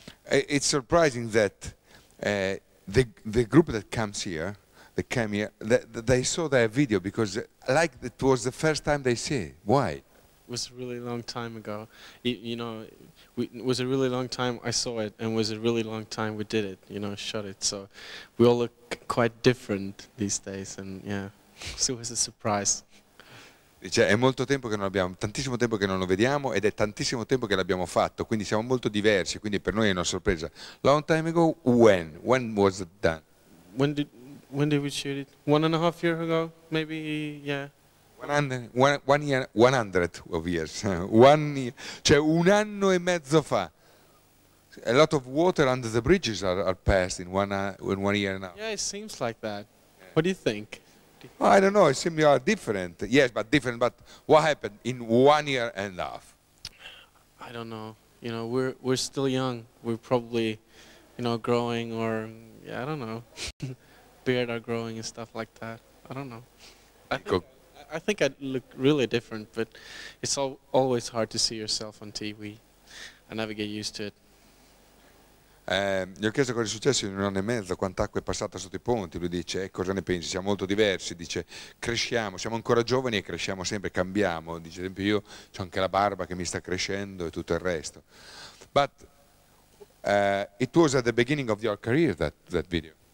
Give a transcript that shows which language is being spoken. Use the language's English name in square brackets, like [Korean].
[English] It's surprising that the group that comes here, they saw their video because like it was the first time they see. Why? It was a really long time ago. It was a really long time I saw it, and it was a really long time we did it, you know, shot it. So we all look quite different these days, and yeah, so it was a surprise. [Italian] Cioè, è molto tempo che non abbiamo, tantissimo tempo che non lo vediamo, ed è tantissimo tempo che l'abbiamo fatto, quindi siamo molto diversi, quindi per noi è una sorpresa. [English] Long time ago, when? When was it done? When did we shoot it? 1.5 years ago, maybe, yeah. 100 years. [Italian] Cioè un anno e mezzo fa. [English] A lot of water under the bridges are passed in one year now. Yeah, it seems like that. Yeah. What do you think? Well, I don't know. It seems you are different. Yes, but different. But what happened in 1 year and a half? I don't know. You know, we're still young. We're probably, you know, growing, or yeah, I don't know. Beard are growing and stuff like that. I don't know. I think I think I'd look really different, but it's always hard to see yourself on TV. I never get used to it. [Italian] Gli ho chiesto cosa è successo in un anno e mezzo, quanta acqua è passata sotto i ponti. Lui dice, cosa ne pensi? Siamo molto diversi. Dice, cresciamo, siamo ancora giovani e cresciamo sempre, cambiamo. Dice, ad esempio, io ho anche la barba che mi sta crescendo e tutto il resto. [English] But it was at the beginning of your career, that video.